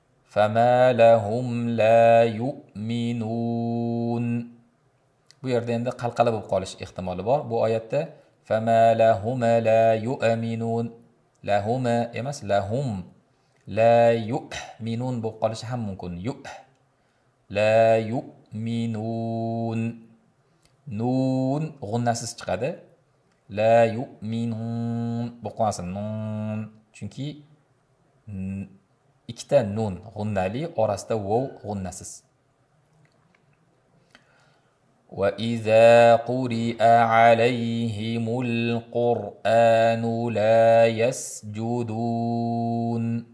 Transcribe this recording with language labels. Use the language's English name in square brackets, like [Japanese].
[Arabic] فَمَا لَهُمْ لَا يُؤْمِنُونَ. [Uzbek] Bu yerda endi qalqala bo'lib qolish ehtimoli bor bu oyatda. [Arabic] فَمَا لَهُمْ لَا يُؤْمِنُونَ. لَهُمْ [Uzbek] emas [Arabic] لَهُمْ لَا يُؤْمِنُونَ [Uzbek] bo'lib qolishi ham mumkin. [Arabic] يُؤْ لَا يُؤْمِنُونَ نُون [Uzbek] g'unnasiz chiqadi. [Arabic] لَا يُؤْمِنُونَ [Uzbek] bo'lib qolmasin نُون chunki ikkita nun g'unnali orasida vov g'unnasiz. [Arabic] Va iza quri'a alayhimul qur'anu la yasjudun.